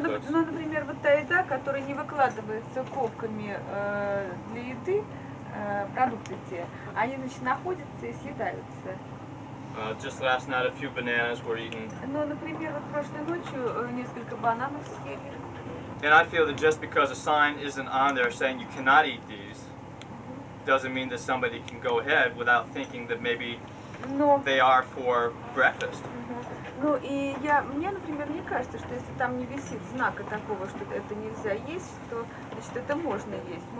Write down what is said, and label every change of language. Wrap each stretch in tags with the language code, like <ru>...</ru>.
<ru>Например, вот та еда, которая не выкладывается ковками для еды, продукты те, они значит находятся и съедаются.</ru> <en>Just last night a few bananas were eaten.</en> <ru>Например, вот прошлой ночью несколько бананов съели.</ru> <en>And I feel that just because a sign isn't on there saying you cannot eat these, doesn't mean that somebody can go ahead without thinking that maybe they are for breakfast.</en> <ru>Мне, например, не кажется, что если там не висит знака такого, что это нельзя есть, то, значит, это можно есть.</ru>